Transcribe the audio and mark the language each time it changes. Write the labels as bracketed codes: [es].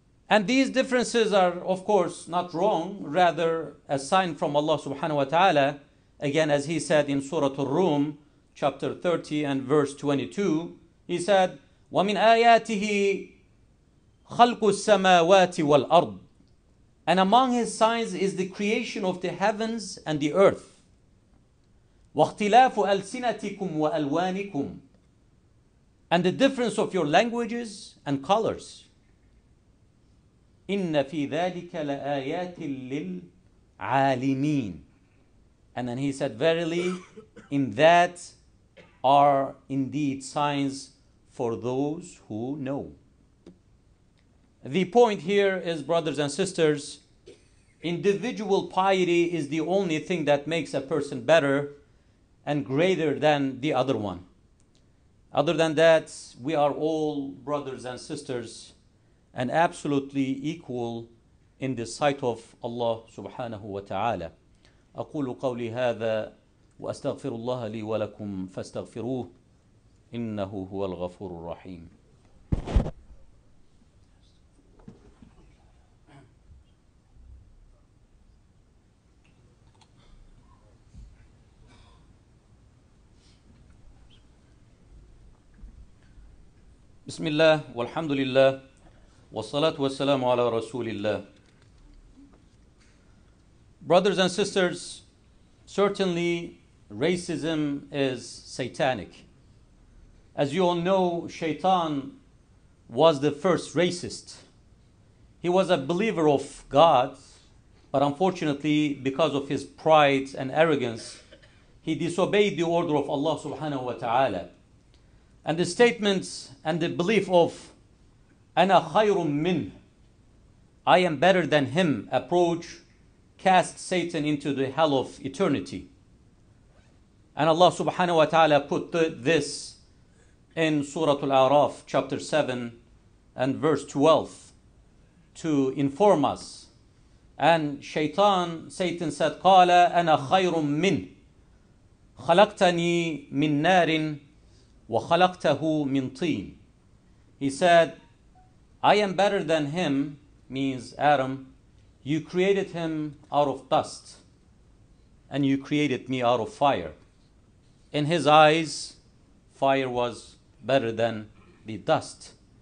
[en] And these differences are, of course, not wrong, rather a sign from Allah subhanahu wa ta'ala, again, as he said in Surah Ar-Rum, chapter 30 and verse 22, he said, [ar] وَمِنْ آيَاتِهِ خَلْقُ السَّمَاوَاتِ وَالْأَرْضِ. [en] And among his signs is the creation of the heavens and the earth. [ar] واختلاف ألسنتكم وألوانكم, [en] and the difference of your languages and colors. [ar] إن في ذلك لآيات للعالمين. [en] And then he said, verily, in that are indeed signs for those who know. The point here is, brothers and sisters, individual piety is the only thing that makes a person better and greater than the other one. Other than that, we are all brothers and sisters and absolutely equal in the sight of Allah subhanahu wa ta'ala. [ar] أقول قولي هذا وأستغفر الله لي ولكم فاستغفروه إنه هو الغفور الرحيم. بسم الله والحمد لله والصلاة والسلام على رسول الله. [en] Brothers and sisters, certainly racism is satanic. As you all know, Shaitan was the first racist. He was a believer of God, but unfortunately, because of his pride and arrogance, he disobeyed the order of Allah subhanahu wa ta'ala. And the statement and the belief of [ar] أَنَا خَيْرٌ مِّنْ, [en] I am better than him, approach cast Satan into the hell of eternity. And Allah subhanahu wa ta'ala put this in Surah Al-A'raf, chapter 7 and verse 12, to inform us. And Satan said, [ar] قَالَ أَنَا خَيْرٌ مِّنْ خَلَقْتَنِي مِنْ نَارٍ وَخَلَقْتَهُ مِنْ طِينٍ. [en] He said, I am better than him, means Adam. You created him out of dust, and you created me out of fire. In his eyes, fire was better than the dust.